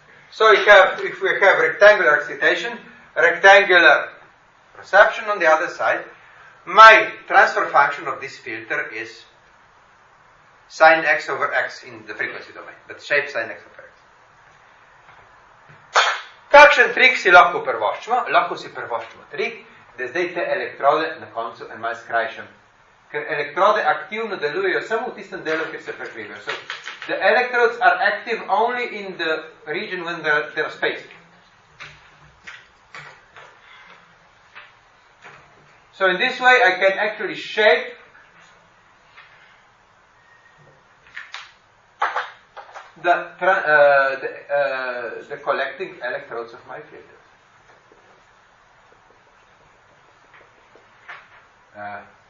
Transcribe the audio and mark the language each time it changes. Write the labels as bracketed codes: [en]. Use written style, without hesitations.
[en] So we have, if we have rectangular excitation, rectangular perception on the other side, my transfer function of this filter is sin x over x in the frequency domain, but shape sin x over x. [sl] Kakšen trik si lahko prvoščimo? Lahko si prvoščimo trik, da zdaj te elektrode na koncu en malo skrajšam. Ker elektrode aktivno delujejo samo v tistem delu, kjer se prekrivajo. [en] So, the electrodes are active only in the region when they are spaced. So, in this way, I can actually shape the collecting electrodes of my filter.